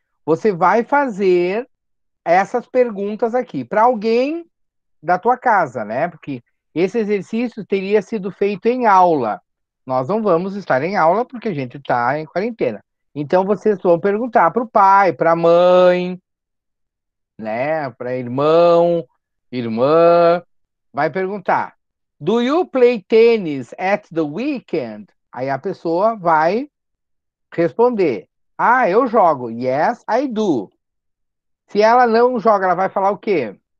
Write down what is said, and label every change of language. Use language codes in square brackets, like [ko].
[pt] Você vai fazer essas perguntas aqui para alguém da tua casa, né? Porque esse exercício teria sido feito em aula. Nós não vamos estar em aula porque a gente está em quarentena. Então, vocês vão perguntar para o pai, para a mãe, né? Para irmão, irmã. Vai perguntar, [en] do you play tennis at the weekend? [pt] Aí a pessoa vai responder, ah, eu jogo. [en] Yes, I do. [pt] Se ela não joga, ela vai falar o quê?